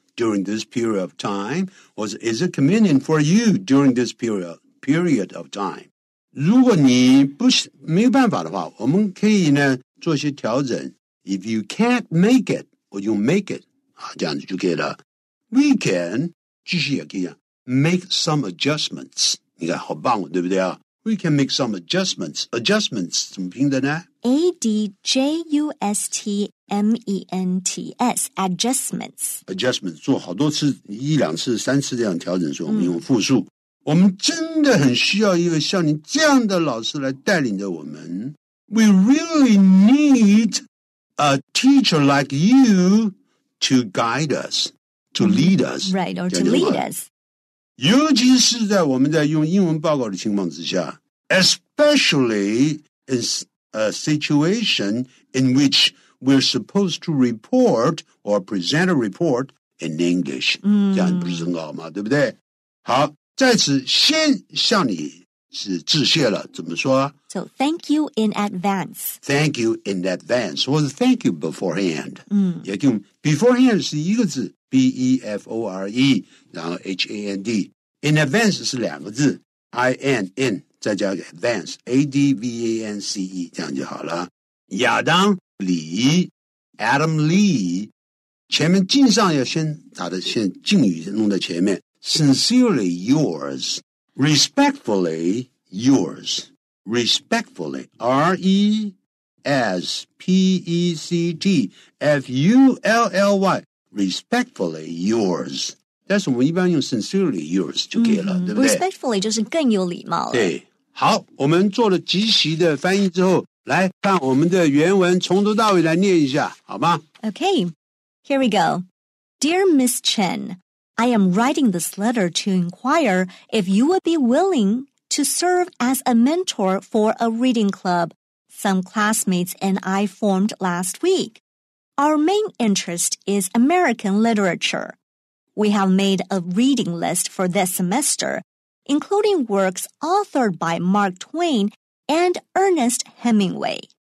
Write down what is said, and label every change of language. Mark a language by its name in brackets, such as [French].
[English] During this period of time, or is it convenient for you during this period of time? [Chinese] 如果你不是没有办法的话，我们可以呢做一些调整。 [English] If you can't make it, or you make it, [Chinese] 啊，这样子就可以了。 [English] We can [Chinese] 继续也可以啊 [English] make some adjustments. [Chinese] 你看好棒，对不对啊 ？ [English] We can make some adjustments. [Chinese] Adjustments 怎么拼的呢 [English] ？Adjustment. M-E-N-T-S, adjustments. [Chinese] Adjustments, 做好多次一两次三次这样调整的时候我们用复数。我们真的很需要一个像你这样的老师来带领着我们。 [English] We really need a teacher like you to guide us, to lead us. Right, or to lead us. [Chinese] 尤其是在我们在用英文报告的情况之下 [English] especially in a situation in which we're supposed to report or present a report in English. [Chinese] 这样不是很好吗对不对好在此先向你是致谢了怎么说 [English] So thank you in advance. Thank you in advance. 或者 thank you beforehand. 也就 beforehand [Chinese] 是一个字 [English] B-E-F-O-R-E, 然后 H-A-N-D. In advance [Chinese] 是两个字 I-N-N, 再加个 advance, A-D-V-A-N-C-E, 这样就好了。亚当李 Adam Lee 前面敬上要先打的先敬语弄在前面 [English] Sincerely yours Respectfully yours [Chinese] Respectfully R-E-S-P-E-C-T-F-U-L-L-Y Respectfully yours 但是我们一般用 Sincerely yours 就可以了、对不对 Respectfully 就是更有礼貌了对好我们做了即席的翻译之后来看我们的原文从头到尾来念一下好吗 [English] Okay, here we go. Dear Miss Chen, I am writing this letter to inquire if you would be willing to serve as a mentor for a reading club some classmates and I formed last week. Our main interest is American literature. We have made a reading list for this semester, including works authored by Mark Twain and Ernest Hemingway.